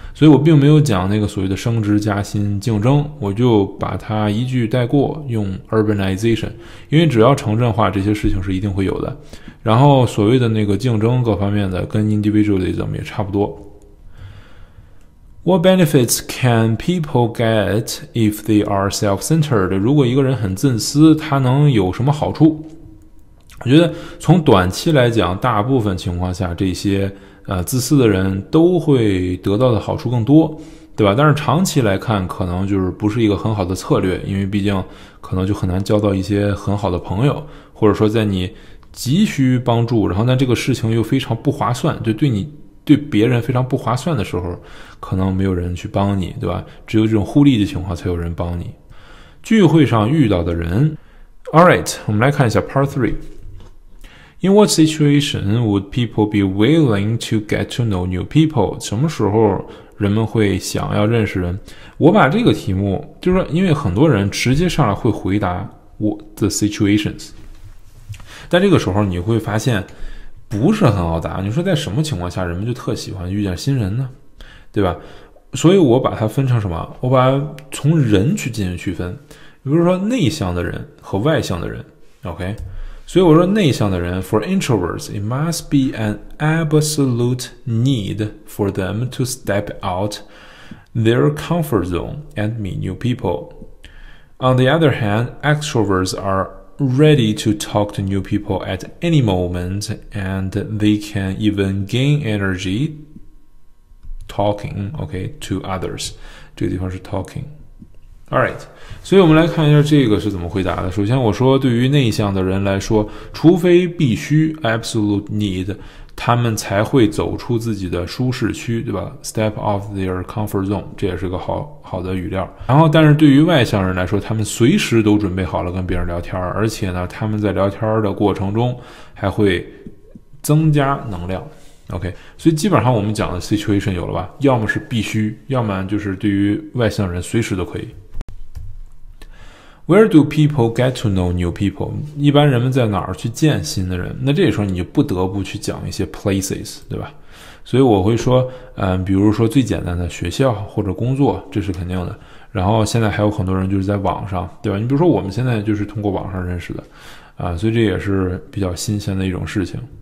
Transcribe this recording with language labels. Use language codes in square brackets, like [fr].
[zh] 所以我并没有讲那个所谓的升职加薪竞争，我就把它一句带过，用 urbanization, 因为只要城镇化，这些事情是一定会有的。然后所谓的那个竞争各方面的跟 individualism 也差不多。 [en] What benefits can people get if they are self-centered? [zh] 如果一个人很自私，他能有什么好处？我觉得从短期来讲，大部分情况下这些自私的人都会得到的好处更多，对吧？但是长期来看可能就是不是一个很好的策略，因为毕竟可能就很难交到一些很好的朋友，或者说在你急需帮助，然后但这个事情又非常不划算，就对你对别人非常不划算的时候，可能没有人去帮你，对吧？只有这种互利的情况才有人帮你。聚会上遇到的人 ，Alright， 我们来看一下 Part Three。 [en] In what situation would people be willing to get to know new people？ [zh] 什么时候人们会想要认识人？我把这个题目就是因为很多人直接上来会回答 [en] What the situations。 [zh] 在这个时候你会发现不是很好答，你说在什么情况下人们就特喜欢遇见新人呢，对吧？所以我把它分成什么，我把从人去进行区分，比如说内向的人和外向的人， OK。所以我说内向的人 [en] for introverts it must be an absolute need for them to step out their comfort zone and meet new people. On the other hand, extroverts areready to talk to new people at any moment, and they can even gain energy talking, okay, to others. [zh] 这个地方是 talking. Alright, 所以我们来看一下这个是怎么回答的。首先我说对于内向的人来说，除非必须 [en] absolute need, [zh] 他们才会走出自己的舒适区，对吧？ [en] Step off their comfort zone, [zh] 这也是个好的语料。然后但是对于外向人来说，他们随时都准备好了跟别人聊天，而且呢他们在聊天的过程中还会增加能量， OK。所以基本上我们讲的 situation 有了吧，要么是必须，要么就是对于外向人随时都可以。 [en] Where do people get to know new people？ [zh] 一般人们在哪儿去见新的人？那这时候你就不得不去讲一些 places， 对吧？所以我会说比如说最简单的学校或者工作，这是肯定的。然后现在还有很多人就是在网上，对吧？你比如说我们现在就是通过网上认识的所以这也是比较新鲜的一种事情。